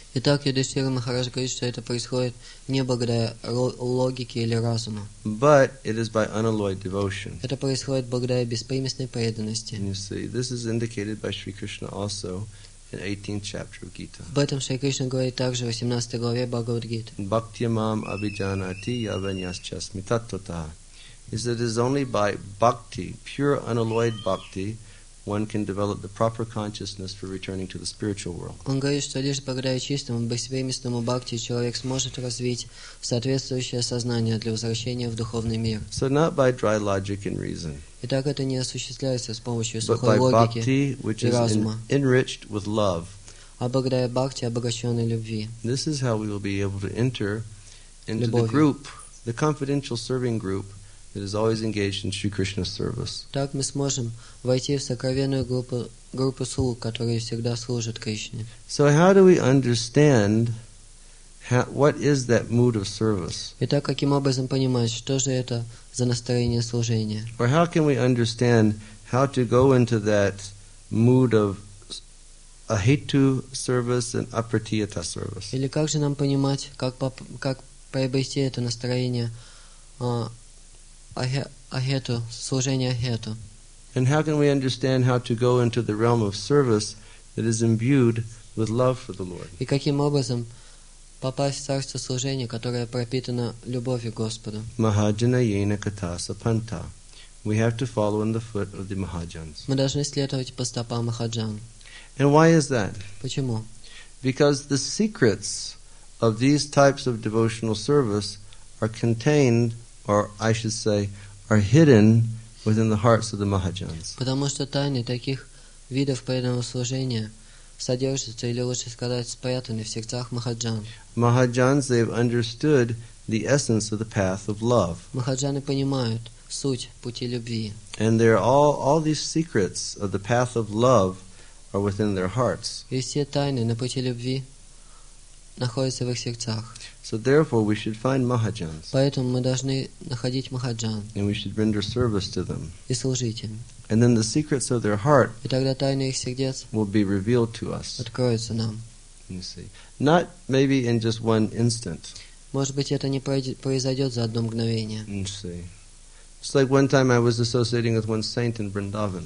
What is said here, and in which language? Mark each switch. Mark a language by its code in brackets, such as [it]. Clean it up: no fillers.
[ru] Итак, Юдхиштхира Махарадж говорит, что это происходит не благодаря логике или разуму. [en] But it is by unalloyed devotion. [ru] Это происходит благодаря беспримесной преданности. [en] And you see, this is indicated by Sri Krishna also in 18th chapter of Gita. [ru] Об этом Шри Кришна говорит также в 18 главе Бхагавад-гиты. [sa] Bhaktyamam abhijanati yavanyascha smitattvata. [en] He said, it is only by bhakti, pure unalloyed bhakti, one can develop the proper consciousness for returning to the spiritual world. [ru] Он говорит, что лишь благодаря чистому, бессовместному бхакти человек сможет развить соответствующее сознание для возвращения в духовный мир. [en] So not by dry logic and reason. [ru] Итак, это не осуществляется с помощью сухой логики [en] bhakti, which [ru] и разума. [en] Is enriched with love. [ru] А благодаря бхакти, обогащенной любви. [en] This is how we will be able to enter into the group, the confidential serving group It is always engaged in Sri Krishna's service. [ru] Так мы сможем войти в сокровенную группу слуг, которые всегда служат Кришне. [en] So how do we understand what is that mood of service? [ru] Итак, каким образом понимать, что же это за настроение служения? [en] Or how can we understand how to go into that mood of ahetu service and apratiyata service? [ru] Или как же нам понимать, как приобрести это настроение? Ahetu, служение ahetu. [en] And how can we understand how to go into the realm of service that is imbued with love for the Lord? [ru] И каким образом попасть в царство служения, которое пропитано любовью к Господу? [sa] Mahajana yena katha sapanta. [en] We have to follow in the foot of the Mahajans. [ru] Мы должны следовать по стопам Махаджан. [en] And why is that? [ru] Почему? [en] Because the secrets of these types of devotional service are contained, or I should say, are hidden within the hearts of the Mahajans. [ru] Потому что тайны таких видов преданного служения содержатся, или лучше сказать, спрятаны в сердцах Махаджан. [en] Mahajans, they've understood the essence of the path of love. [ru] Махаджаны понимают суть пути любви. [en] And they're all these secrets of the path of love are within their hearts. [ru] И все тайны на пути любви находятся в их сердцах. [en] So therefore, we should find Mahajans. [ru] Поэтому мы должны находить Махаджан. [en] And we should render service to them. [ru] И служить им. [en] And then the secrets of their heart, [ru] и тогда тайны их сердец, [en] will be revealed to us. [ru] Откроются нам. [en] You see. Not maybe in just one instant. [ru] Может быть, это не произойдет за одно мгновение. [en] You see. It's like one time I was associating with one saint in Vrindavan.